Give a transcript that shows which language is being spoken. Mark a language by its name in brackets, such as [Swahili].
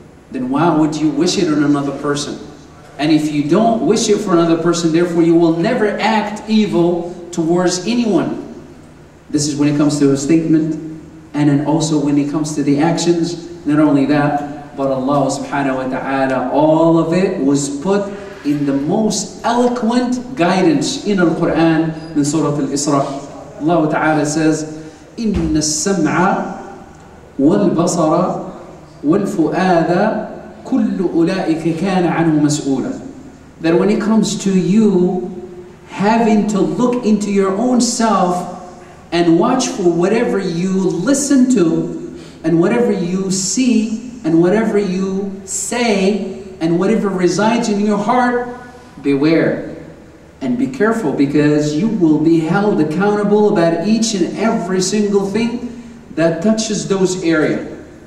[English] Then why would you wish it on another person? And if you don't wish it for another person, therefore you will never act evil towards anyone. This is when it comes to a statement, and then also when it comes to the actions. Not only that, but Allah subhanahu wa ta'ala, all of it was put in the most eloquent guidance in Al-Quran, in Surah Al-Isra. Allah ta'ala says, [Arabic] إِنَّ السَّمْعَ وَالْبَصَرَ وَالْفُؤَادَ كُلُّ أُولَٰئِكَ كَانَ عَنْهُ مَسْؤُولًا. [English] That when it comes to you having to look into your own self and watch for whatever you listen to and whatever you see and whatever you say and whatever resides in your heart, beware and be careful, because you will be held accountable about each and every single thing that touches those areas.